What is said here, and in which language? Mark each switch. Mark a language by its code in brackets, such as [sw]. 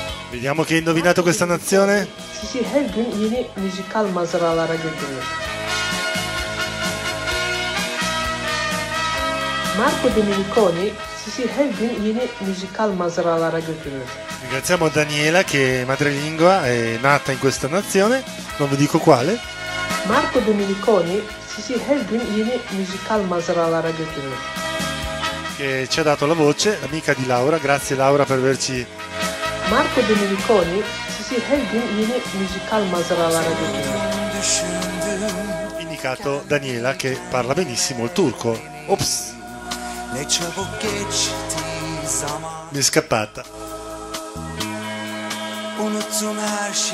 [it] Vediamo chi ha indovinato questa nazione. [tr] Sì, her gün yeni müzikal mazralara götürür. Marco Domeniconi sizi her gün yeni müzikal mazralara götürür. [it] Ringraziamo Daniela che madrelingua è nata in questa nazione, non vi dico quale. [tr] Marco Domeniconi sizi her gün yeni müzikal mazralara götürür. [it] Che ci ha dato la voce, amica di Laura, grazie Laura per averci. [tr] Marco Domeniconi sizi her gün yeni müzikal mazralara götürür. [it] Indicato Daniela che parla benissimo il turco. Ops. [tr] Ne çabuk geçti zaman. [it] Mi è scappata. [tr] Unuttum her şeyi.